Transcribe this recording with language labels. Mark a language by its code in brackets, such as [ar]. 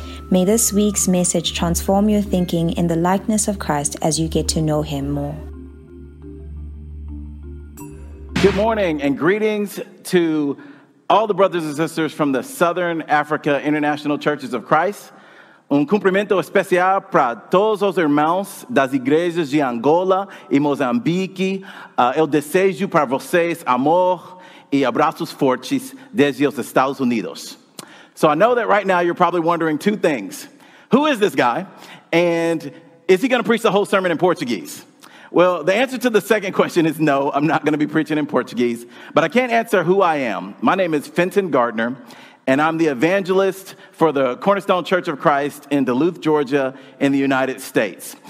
[en] May this week's message transform your thinking in the likeness of Christ as you get to know him more. Good morning and greetings to all the brothers and sisters from the Southern Africa International Churches of Christ. [pt] Um cumprimento especial para todos os irmãos das igrejas de Angola e Moçambique. Eu desejo para vocês amor e abraços fortes desde os Estados Unidos. [en] So I know that right now you're probably wondering two things. Who is this guy? And is he going to preach the whole sermon in Portuguese? Well, the answer to the second question is no, I'm not going to be preaching in Portuguese. But I can't answer who I am. My name is Fenton Gardner. And I'm the evangelist for the Cornerstone Church of Christ in Duluth, Georgia, in the United States.